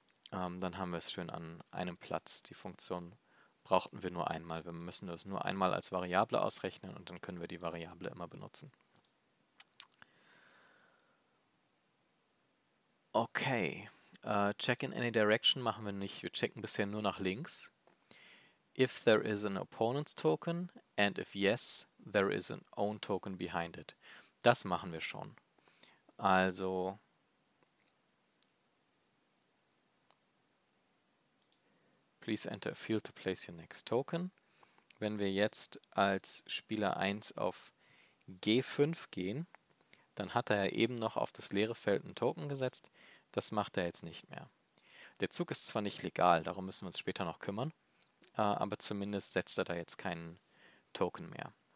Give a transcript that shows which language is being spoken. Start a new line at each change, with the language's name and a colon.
German: Dann haben wir es schön an einem Platz. Die Funktion brauchten wir nur einmal. Wir müssen das nur einmal als Variable ausrechnen und dann können wir die Variable immer benutzen. Okay, check in any direction machen wir nicht. Wir checken bisher nur nach links.
English: If there is an opponent's token and if yes, there is an own token behind it.
German: Das machen wir schon.
English: Also, please enter a field to place your next token.
German: Wenn wir jetzt als Spieler 1 auf G5 gehen, dann hat er ja eben noch auf das leere Feld einen Token gesetzt. Das macht er jetzt nicht mehr. Der Zug ist zwar nicht legal, darum müssen wir uns später noch kümmern, aber zumindest setzt er da jetzt keinen Token mehr.